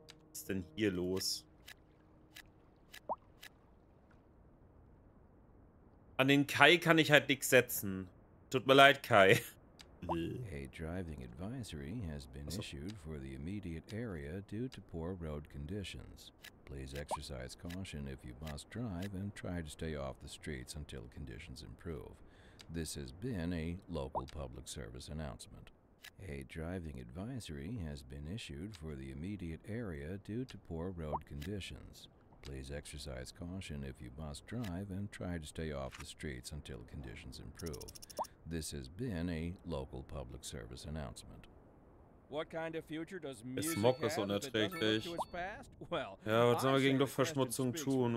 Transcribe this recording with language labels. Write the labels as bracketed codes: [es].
[de] Was ist denn hier los? An den Kai kann ich halt nichts setzen. Tut mir leid, Kai. [en] A driving advisory has been issued for the immediate area due to poor road conditions. Please exercise caution if you must drive and try to stay off the streets until conditions improve. This has been a local public service announcement. A driving advisory has been issued for the immediate area due to poor road conditions. Please exercise caution if you must drive and try to stay off the streets until conditions improve. This has been a local public service announcement. What kind of future does music [de] Smog ist unerträglich. Well, ja, was sollen wir gegen Luftverschmutzung tun?